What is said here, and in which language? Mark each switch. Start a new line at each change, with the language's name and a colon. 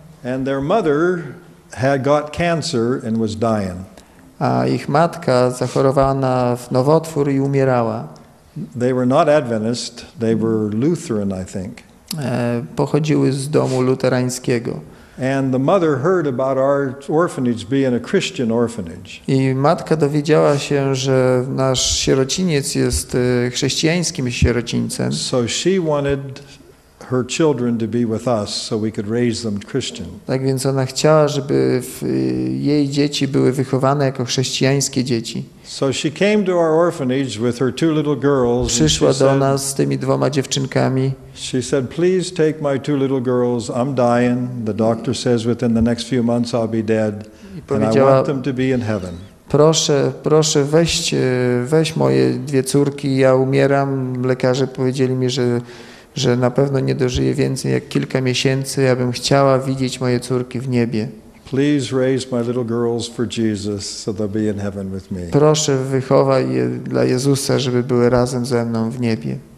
English: And their mother had got cancer and was dying.
Polish: A ich matka zachorowała na nowotwór I umierała.
English: They were not Adventist, they were Lutheran, I think.
Polish: Pochodziły z domu luterańskiego.
English: And the mother heard about our orphanage being a Christian orphanage.
Polish: I matka dowiedziała się, że nasz sierociniec jest chrześcijańskim sierocińcem.
English: So she wanted her children to be with us so we could raise them Christian.
Polish: Tak więc ona chciała, żeby jej dzieci były wychowane jako chrześcijańskie dzieci.
English: So she came to our orphanage with her two little girls.
Polish: Przyszła do nas z tymi dwoma dziewczynkami.
English: She said, "Please take my two little girls. I'm dying. The doctor says within the next few months I'll be dead, and I want them to be in heaven."
Polish: Proszę, weź moje dwie córki. Ja umieram. Lekarze powiedzieli mi, że na pewno nie dożyję więcej jak kilka miesięcy. Ja bym chciała widzieć moje córki w niebie.
English: Please raise my little girls for Jesus so they'll be in heaven with me.
Polish: Proszę, wychowaj je dla Jezusa, żeby były razem ze mną w niebie.